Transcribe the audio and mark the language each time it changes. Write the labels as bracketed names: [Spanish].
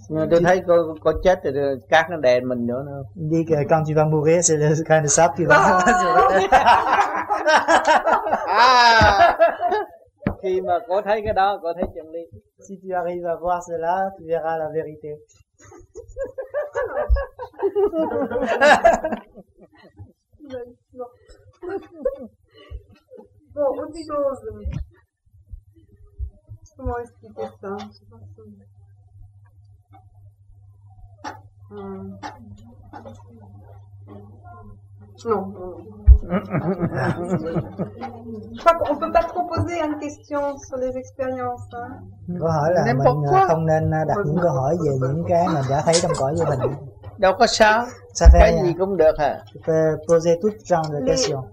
[Vietnamese] Tôi thấy cô chết thì cát nó đè mình nữa. [French] Il dit que quand tu vas mourir, c'est le grain de sable qui va sur ta tête. [Vietnamese] Khi mà cô thấy cái đó, cô thấy chân ly. [French] Si tu arrives à voir cela, tu verras la vérité. Bon, autre chose. Comment expliquer ça? Je pense que... Non. On peut pas trop poser une question sur les expériences. [Vietnamese] Câu hỏi là mình không nên đặt những câu hỏi về những cái mà đã thấy trong cõi vô hình. Đâu có sao, cái gì cũng được hả? [French] Tu peux poser tout genre de questions.